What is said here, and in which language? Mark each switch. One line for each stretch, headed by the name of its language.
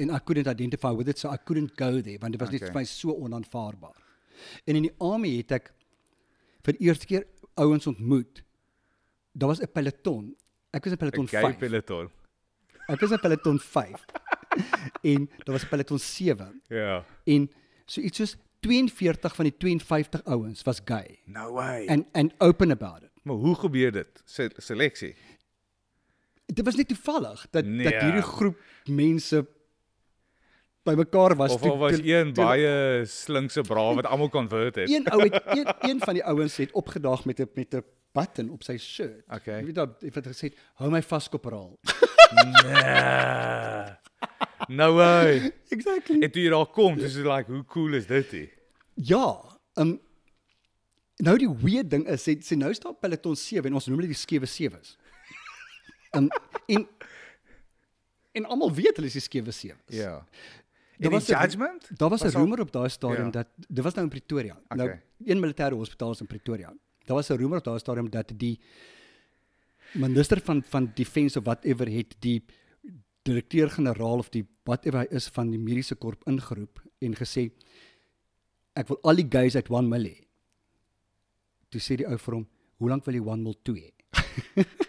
English: And I couldn't identify with it, so I couldn't go there,
Afrikaans: want dit was net vir my so onaanvaarbaar. En in die army het ek vir die eerste keer ouens ontmoet. Daar was 'n peloton. Ek was in peloton 5. 'N Gay peloton. Ek was in peloton 5. En daar was peloton 7. Ja. En so iets soos 42 van die 52 ouens was gay.
English: No way. And open about it.
Afrikaans: Maar hoe gebeur dit? Seleksie. Dit was net toevallig dat hierdie groep mense by mekaar was. Of al was een baie slinkse bra wat almal konvert het. Een van die ouens het opgedaag met 'n button op sy shirt.
English: Okay.
Afrikaans: Jy weet dat hy het gesê, "Hou my vas, korporaal."
English: No way. Exactly.
Afrikaans: En toe jy daar kom, dis like, hoe cool is dit hier? Ja. Nou die weird ding is, sê nou staan peloton 7 en ons noem dit die skewe 7's. En almal weet hulle is die skewe 7's. Ja. En die judgment? Daar was 'n rumor op daai stadium dat, dit was nou in Pretoria. Okay. Nou, een militêre hospitaal is in Pretoria. Daar was 'n rumor op daai stadium dat die minister van defense of whatever het die direkteur-generaal of die whatever hy is van die mediese korp ingeroep en gesê, ek wil al die guys uit 1 mil hê. Toe sê die ou vir hom, hoe lank wil jy 1 mil 2 hê?